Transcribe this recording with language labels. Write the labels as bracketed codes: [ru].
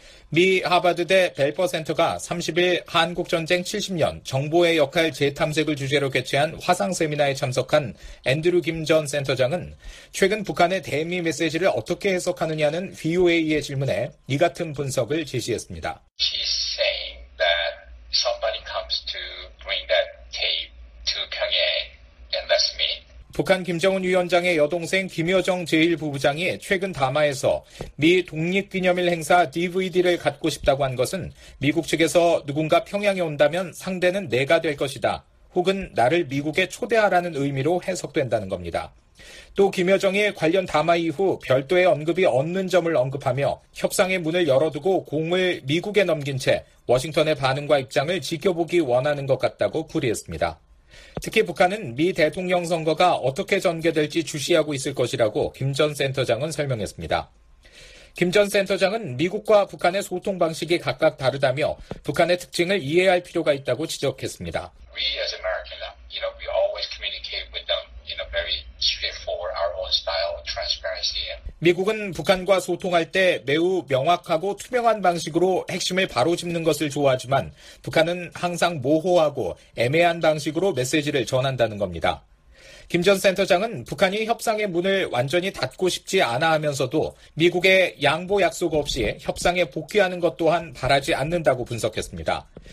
[ko] 미 하버드대 벨퍼 센터가 30일 한국전쟁 70년 정보의 역할 재탐색을 주제로 개최한 화상 세미나에 참석한 앤드루 김 전 센터장은 최근 북한의 대미 메시지를 어떻게 해석하느냐는 VOA의 질문에 이 같은 분석을 제시했습니다. [en] She's saying that somebody comes to bring that tape to Pyongyang and that's me. [ko] 북한 김정은 위원장의 여동생 김여정 제1부부장이 최근 담화에서 미 독립기념일 행사 DVD를 갖고 싶다고 한 것은 미국 측에서 누군가 평양에 온다면 상대는 내가 될 것이다 혹은 나를 미국에 초대하라는 의미로 해석된다는 겁니다. 또 김여정이 관련 담화 이후 별도의 언급이 없는 점을 언급하며 협상의 문을 열어두고 공을 미국에 넘긴 채 워싱턴의 반응과 입장을 지켜보기 원하는 것 같다고 풀이했습니다. 특히 북한은 미 대통령 선거가 어떻게 전개될지 주시하고 있을 것이라고 김 전 센터장은 설명했습니다. 김 전 센터장은 미국과 북한의 소통 방식이 각각 다르다며 북한의 특징을 이해할 필요가 있다고 지적했습니다. [en] We as Americans, you know, we always communicate with them in a very straightforward, our own style, transparency. [ko] 미국은 북한과 소통할 때 매우 명확하고 투명한 방식으로 핵심을 바로잡는 것을 좋아하지만 북한은 항상 모호하고 애매한 방식으로 메시지를 전한다는 겁니다. 김 전 센터장은 북한이 협상의 문을 완전히 닫고 싶지 않아 하면서도 미국의 양보 약속 없이 협상에 복귀하는 것 또한 바라지 않는다고 분석했습니다.